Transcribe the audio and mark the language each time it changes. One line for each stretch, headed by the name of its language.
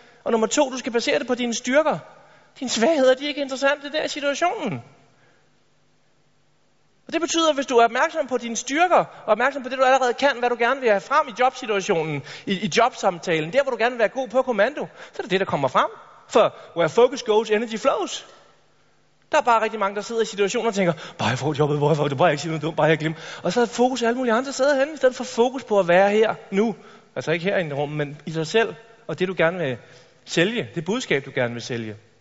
Danish: Og nummer 2, du skal basere det på dine styrker. Dine svagheder, de er ikke interessante der i situationen. Og det betyder, at hvis du er opmærksom på dine styrker, og opmærksom på det, du allerede kan, hvad du gerne vil have frem i jobsituationen, i jobsamtalen, der, hvor du gerne vil være god på kommando, så er det det, der kommer frem.
English: For where focus goes, energy flows.
Danish: Der er bare rigtig mange, der sidder i situationer og tænker, bare jeg får jobbet, hvor jeg får det, bare jeg ikke siger noget dumt, bare jeg glemmer. Og så er fokus i alle mulige andre steder henne, i stedet for fokus på at være her nu. Altså ikke her i en rum, men i sig selv, og det du gerne vil sælge, det budskab du gerne vil sælge.